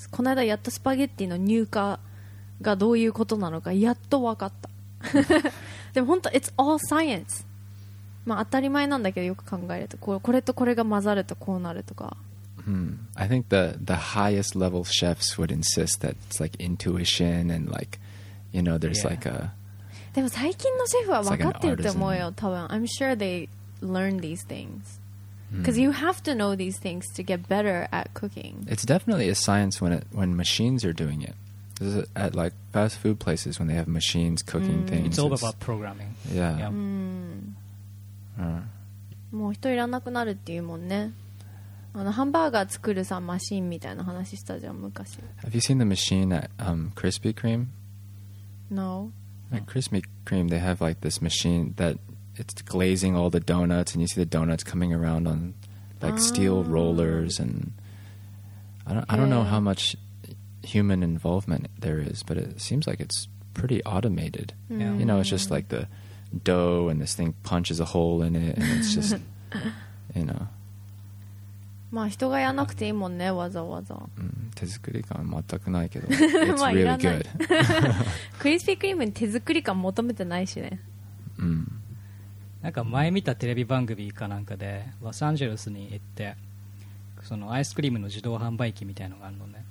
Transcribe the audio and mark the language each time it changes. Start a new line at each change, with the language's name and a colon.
Japanese: この間やったスパゲッティの乳化がどういうことなのかやっと分かった。でも本当、
English: it's all science.
Japanese: まあ、当たり前なんだけど、よく考えると これとこれが混ざるとこうなるとか。
English: I think the highest level chefs would insist that it's like intuition and like, you know, there's like a...
Japanese: でも最近のシェフは分かってると思うよ、多分。
English: I'm sure they learn these things. Because you have to know these things to get better at cooking. It's definitely a science when machines are doing it. This is at like fast food places when they have machines cooking things. It's all about programming. Yeah.
Japanese: もう人いらなくなるっていうもんね。あのハンバーガー作るさマシンみたいな話したじゃん昔。
English: Have you seen the machine at Krispy Kreme? No. At Krispy Kreme, they have like this machine that it's glazing all the donuts, and you see the donuts coming around on like steel rollers, and I don't know how much human involvement there is, but it seems like it's pretty automated. Yeah. You know, it's just like the dough and this thing punches a hole in it and it's just you know
Japanese: まあ人がやなくていいもんねわざわざ、手作り感全くないけど
English: it's really good
Japanese: クリスピークリームに手作り感求めてないしね、なんか前見たテレビ番組かなんかでロサンゼルスに行ってそのアイスクリームの自動販売機みたいのがあるのね。